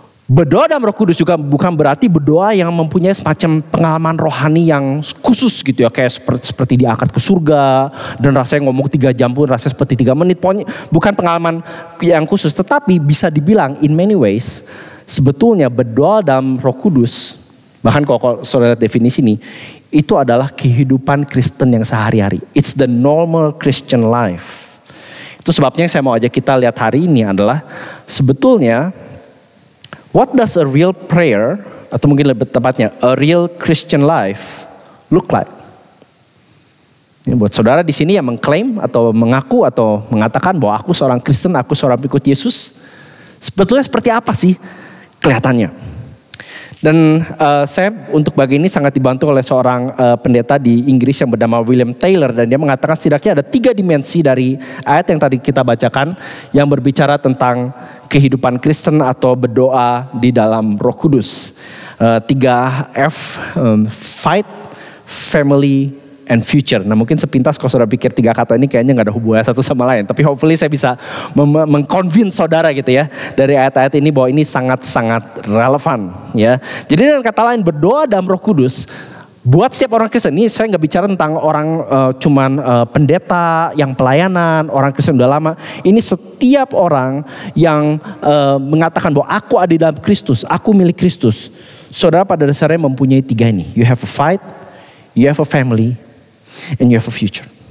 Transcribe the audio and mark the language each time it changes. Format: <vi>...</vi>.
<id>Berdoa dalam Roh Kudus juga bukan berarti berdoa yang mempunyai semacam pengalaman rohani yang khusus gitu ya, kayak seperti diangkat ke surga dan rasanya ngomong 3 jam pun rasanya seperti 3 menit. Pokoknya bukan pengalaman yang khusus, tetapi bisa dibilang</id> <en>in many ways</en> <id>sebetulnya berdoa dalam Roh Kudus, bahkan kalau saudara lihat definisi ini, itu adalah kehidupan Kristen yang sehari-hari.</id> <en>It's the normal Christian life.</en> <id>Itu sebabnya yang saya mau ajak kita lihat hari ini adalah sebetulnya</id> <en>what does a real prayer</en> <id>atau mungkin lebih tepatnya</id> <en>a real Christian life look like?</en> <id>Ini buat saudara di sini yang mengklaim atau mengaku atau mengatakan bahwa aku seorang Kristen, aku seorang pengikut Yesus, sebetulnya seperti apa sih kelihatannya? Dan saya untuk bagi ini sangat dibantu oleh seorang pendeta di Inggris yang bernama William Taylor. Dan dia mengatakan setidaknya ada 3 dimensi dari ayat yang tadi kita bacakan yang berbicara tentang kehidupan Kristen atau berdoa di dalam Roh Kudus.</id> <en>3 F, fight, family, and future.</en> <id>Nah mungkin sepintas kalau saudara pikir 3 kata ini kayaknya gak ada hubungannya satu sama lain. Tapi</id> <en>hopefully</en> <id>saya bisa</id> <en>meng-convince</en> <id>saudara gitu ya. Dari ayat-ayat ini bahwa ini sangat-sangat relevan ya. Jadi dengan kata lain, berdoa dalam Roh Kudus buat setiap orang Kristen. Ini saya gak bicara tentang orang pendeta yang pelayanan, orang Kristen udah lama. Ini setiap orang yang mengatakan bahwa aku ada dalam Kristus, aku milik Kristus. Saudara pada dasarnya mempunyai 3 ini.</id> <en>You have a fight, you have a family, and you have a future.</en>